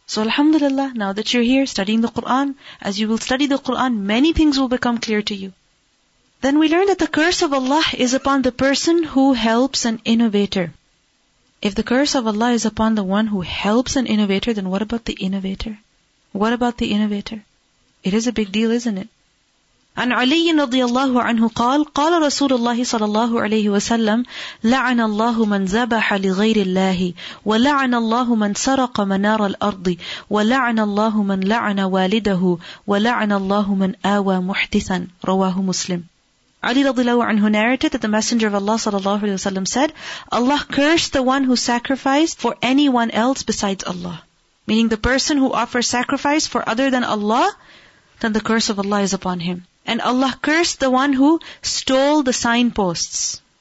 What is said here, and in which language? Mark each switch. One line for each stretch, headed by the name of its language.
English: So alhamdulillah, now that you're here studying the Quran, as you will study the Quran, many things will become clear to you. Then we learn that the curse of Allah is upon the person who helps an innovator. If the curse of Allah is upon the one who helps an innovator, then what about the innovator? What about the innovator? It is a big deal, isn't it?
Arabic: عن علي رضي الله عنه قال قال رسول الله صلى الله عليه وسلم لعن الله من ذبح لغير الله ولعن الله من سرق منار الأرض ولعن الله من لعن والده ولعن الله من آوى محدثا رواه مسلم.
English: Ali radiallahu anhu narrated that the Messenger of Allah sallallahu alayhi wa sallam said, Allah cursed the one who sacrificed for anyone else besides Allah. Meaning the person who offers sacrifice for other than Allah, then the curse of Allah is upon him. And Allah cursed the one who stole the signposts.